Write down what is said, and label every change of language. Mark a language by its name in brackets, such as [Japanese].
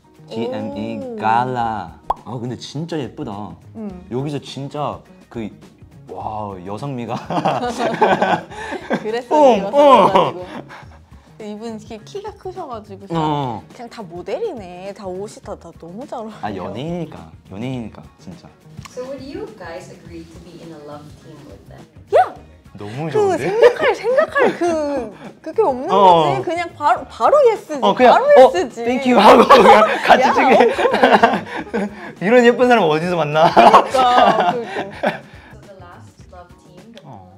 [Korean] GME Gala. 아 근데 진짜 예쁘다. 여기서 진짜 그 와 여성미가. 그래서 입었어가지고. 이분 키가 크셔가지고 그냥 다 모델이네. 다 옷이 다 너무 잘 어울려. 아 연예인이니까. 연예인이니까 진짜. [English] So would you guys agree to be in a love team with them? [Korean] 너무 좋은데? 그 생각할 그게 없는 거지. 그냥 바로 예스지. 바로 예스지. [English] Thank you [Korean] 하고 그냥 같이 찍게. 이런 예쁜 사람 어디서 만나? 그러니까. [English] So the last love team that we're